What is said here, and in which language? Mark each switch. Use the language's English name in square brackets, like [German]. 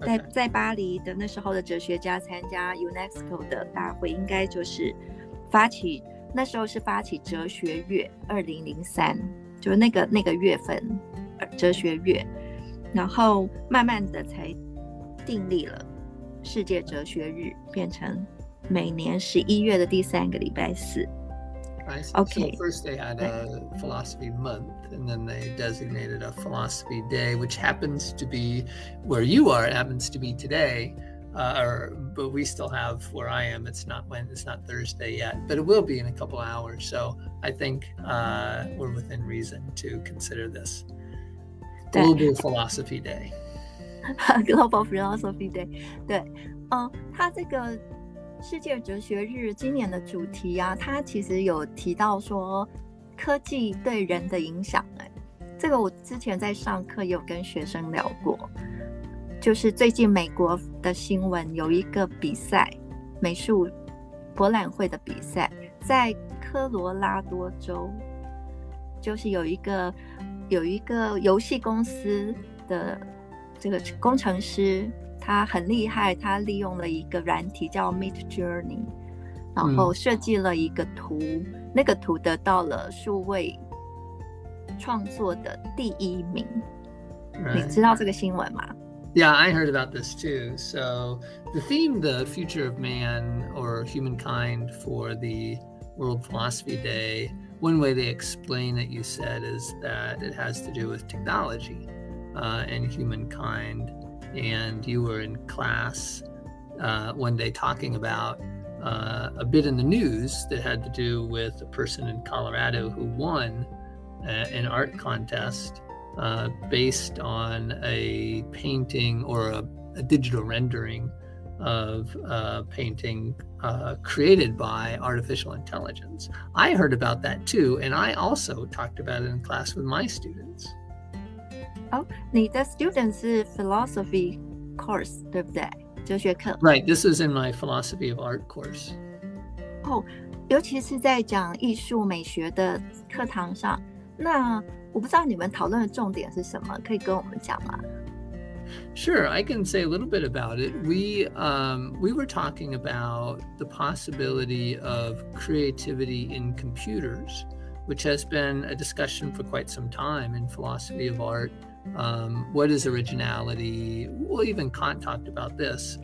[Chinese] 在巴黎的那时候的哲学家参加 UNESCO 的大会，应该就是发起，那时候是发起哲学月，2003，就是那个月份，哲学月，然后慢慢的才订立了世界哲学日，变成每年11月的第三个礼拜四。 [English] Okay. So first they had a philosophy month, and then they designated a philosophy day, which happens to be where you are. It happens to be today, but we still have where I am. It's not Thursday yet, but it will be in a couple of hours. So I think we're within reason to consider this Global Philosophy Day. Global Philosophy Day. [Chinese] 对，它这个世界哲学日今年的主题啊，它其实有提到说科技对人的影响，这个我之前在上课有跟学生聊过，就是最近美国的新闻有一个比赛，美术博览会的比赛，在科罗拉多州，就是有一个游戏公司的这个工程师，他很厉害，他利用了一个软体叫 Mid Journey， 然后设计了一个图，那个图得到了数位创作的第一名。 [English] Right. [Chinese] 你知道这个新闻吗？ [English] Yeah, I heard about this too. So the theme, the future of man or humankind for the World Philosophy Day, one way they explain it, you said, is that it has to do with technology, and humankind. And you were in class, one day talking about, a bit in the news that had to do with a person in Colorado who won an art contest. Based on a painting or a digital rendering of a painting created by artificial intelligence. I heard about that too, and I also talked about it in class with my students. [Chinese] Oh, 你的 [English] students [Chinese] 是 [English] philosophy course, [Chinese] 对不对？哲学课。 [English] Right, this is in my philosophy of art course. [Chinese] Oh, 尤其是在讲艺术美学的课堂上，那我不知道你们讨论的重点是什么，可以跟我们讲吗？ [English] Sure, I can say a little bit about it. We were talking about the possibility of creativity in computers, which has been a discussion for quite some time in philosophy of art. What is originality? Well, even Kant talked about this.